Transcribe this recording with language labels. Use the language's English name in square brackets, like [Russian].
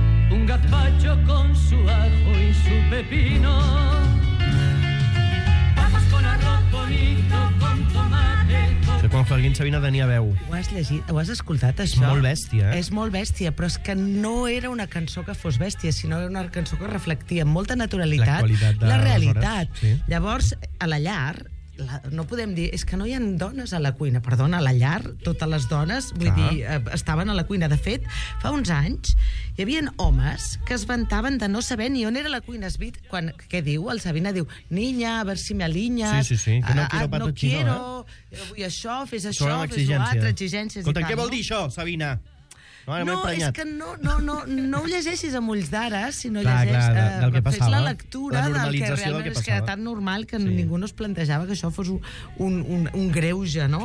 [Spanish] Un gazpacho con su ajo y su pepino. Papas con arroz bonito, con tomate. [Catalan] Que quan fa alguien sabina tenia veu. Ho has llegit, ho has escoltat, això? És molt bèstia, eh? És molt bèstia, però és que no era una cançó que fos bèstia, sinó era una cançó que reflectia amb molta naturalitat la realitat. Sí. Llavors, a la llar, no podem dir, és que no hi ha dones a la cuina. Perdona, a la llar, totes les dones, vull dir, estaven a la cuina. De fet, fa uns anys hi havia homes que es vantaven de no saber ni on era la cuina. Es vit, quan, què diu? El Sabina diu, [Spanish] niña, a ver si me alinyas. Sí, sí, sí, que no quiero pato no chino, quiero, eh? [Catalan] Vull això, fes això, fes l'altre, exigències. Escolta, què vol dir això, Sabina? No, és que no ho llegeixis amb ulls d'ara, sinó llegeix, fes la lectura del que realment del que és que era tan normal que sí. Ningú no es plantejava que això fos un greuge, no?